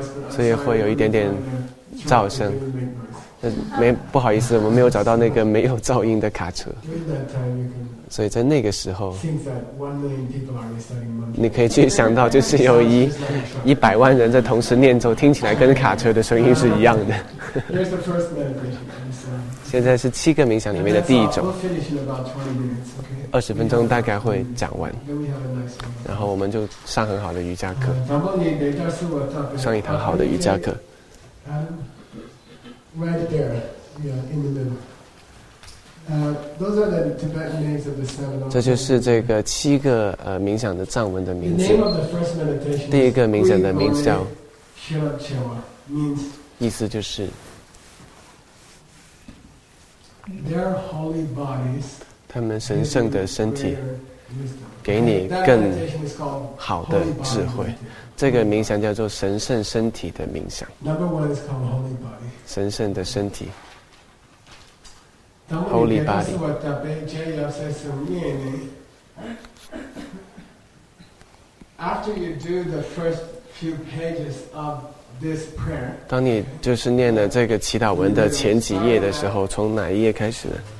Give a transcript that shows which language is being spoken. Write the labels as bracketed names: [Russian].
[Chinese] 所以会有一点点噪声，没不好意思，我们没有找到那个没有噪音的卡车。 [English] During that time, you can. [Chinese] 所以在那个时候 [English] ，Since that 1 million people are reciting mantra, [Chinese] 你可以去想到，就是有100万人在同时念咒，听起来跟卡车的声音是一样的。 [English] Here's the first meditation. [Chinese] 现在是七个冥想里面的第一种。 [English] We'll finish in about 20 minutes, okay? [Chinese] 20分钟大概会讲完。 [English] Then we have a nice one. [Chinese] 然后我们就上很好的瑜伽课。然后你等一下是我特别上一堂好的瑜伽课。 [English] Right there, yeah, in the middle. Those are the Tibetan names of the seven. [Chinese] 这就是这个七个冥想的藏文的名字。 [English] The name of the first meditation. [Chinese] 第一个冥想的名字叫 [English] Shilachewa, means. [Chinese] 意思就是 [English] Their holy bodies. [Chinese] 他们神圣的身体，给你更好的智慧。这个冥想叫做神圣身体的冥想。 [English] Number one is called holy body. [Chinese] 神圣的身体。 [English] Holy body. [Chinese] 当你 [English] After you do the first few pages of this prayer. [Chinese] 当你就是念了这个祈祷文的前几页的时候，从哪一页开始呢？